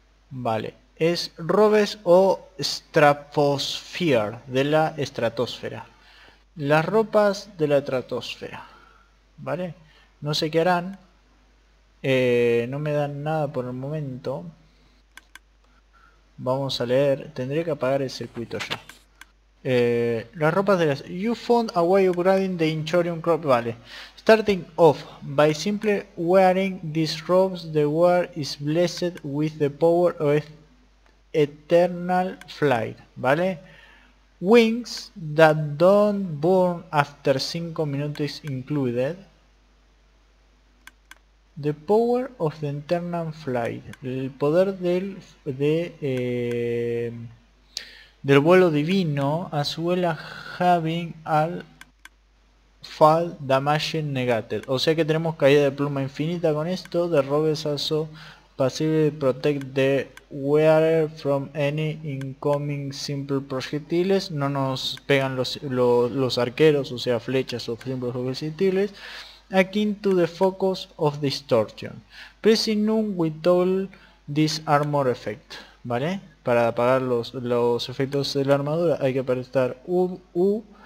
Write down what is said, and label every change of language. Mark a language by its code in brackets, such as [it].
[es] Vale, es Robes o Stratosphere, de la estratosfera. Las ropas de la estratosfera, ¿vale? No sé qué harán, no me dan nada por el momento. Vamos a leer, tendría que apagar el circuito ya. Las ropas de las... [en] You found a way upgrading the Inchorium crop, vale. Starting off by simply wearing these robes, the world is blessed with the power of eternal flight, ¿vale? Wings that don't burn after 5 minutes included. The power of the eternal flight, [es] el poder del vuelo divino, [en] as well as having al fall damage negated. [es] O sea que tenemos caída de pluma infinita con esto. [en] The robes also passively protect the wearer from any incoming simple projectiles. [es] No nos pegan los arqueros, o sea, flechas o simples proyectiles. [en] Akin to the focus of distortion. Prisinum with all this armor effect. ¿Vale? [es] Para apagar los efectos de la armadura hay que apretar U.